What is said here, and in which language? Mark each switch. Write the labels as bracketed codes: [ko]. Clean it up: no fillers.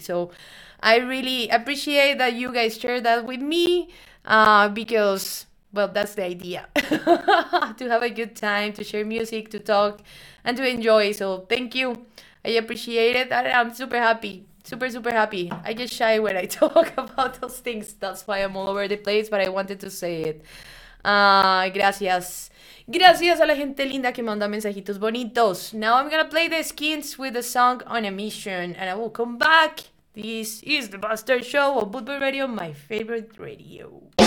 [en] So I really appreciate that you guys share that with me because, well, that's the idea, to have a good time, to share music, to talk and to enjoy. So thank you. I appreciate it and I'm super happy. Super, super happy. I get shy when I talk about those things. That's why I'm all over the place, but I wanted to say it. [es] Gracias. Gracias a la gente linda que manda mensajitos bonitos. [en] Now I'm gonna play the Skins with the song On a Mission, and I will come back. This is the Buster Show on Boot Boy Radio, my favorite radio.